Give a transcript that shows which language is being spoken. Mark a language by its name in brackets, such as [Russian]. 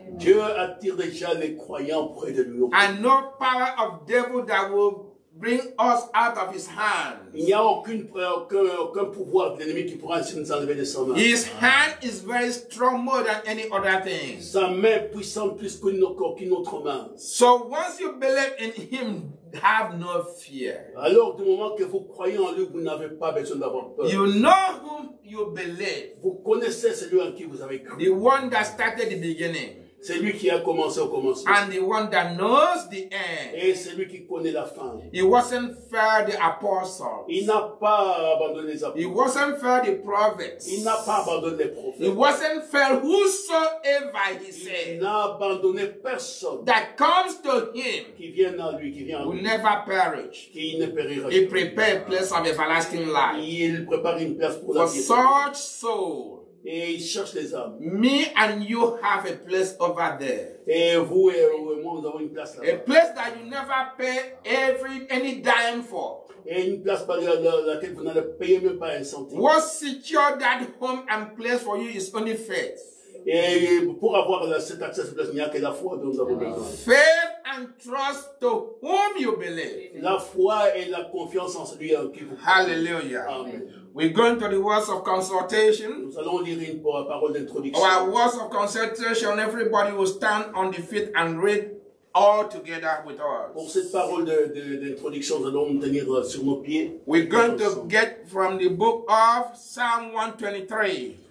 [French] Dieu attire déjà les croyants près de lui. [English] And no power of devil that will bring us out of his hands. [French] Il n'y a aucun pouvoir de l'ennemi qui pourra ainsi nous enlever de sa main. [English] His hand is very strong, more than any other thing. [French] Sa main puissante plus qu'une autre main. [English] So once you believe in him, have no fear. [French] Alors du moment que vous croyez en lui, vous n'avez pas besoin d'avoir peur. [English] You know whom you believe. [French] Vous connaissez celui en qui vous avez cru. [English] The one that started the beginning. [French] C'est lui qui a commencé au commencement. [English] And the one that knows the end. [French] Et c'est lui qui connaît la fin. [English] He wasn't fair the apostles. [French] Il n'a pas abandonné les apôtres. [English] He wasn't fair the prophets. [French] Il n'a pas abandonné les prophètes. [English] He wasn't fair whosoever he said. [French] Il n'a abandonné personne. [English] That comes to him. [French] Qui vient à lui, qui vient à lui. [English] Will never perish. [French] Qui ne périra [English] jamais. He prepared place of everlasting life. [French] Il prépare une place pour la vie. [English] For such soul. [French] Et il cherche les hommes. [English] Me and you have a place over there. [French] Et vous et moi, nous avons une place là-bas. [English] A place that you never pay every any dime for. [French] Et une place par laquelle vous n'allez payer même pas un centime. [English] What secure that home and place for you is only faith. [French] Et pour avoir cet accès, il n'y a que la foi dont nous avons besoin. [English] Faith and trust to whom you believe. [French] La foi et la confiance en celui en qui vous croyez. Hallelujah. Amen. [English] We're going to the words of consultation. [French] Nous allons lire une parole d'introduction. [English] Our words of consultation, everybody will stand on the feet and read all together with us. [French] Pour cette parole d'introduction, nous allons nous tenir sur nos pieds. [English] We're going to get from the book of Psalm 123.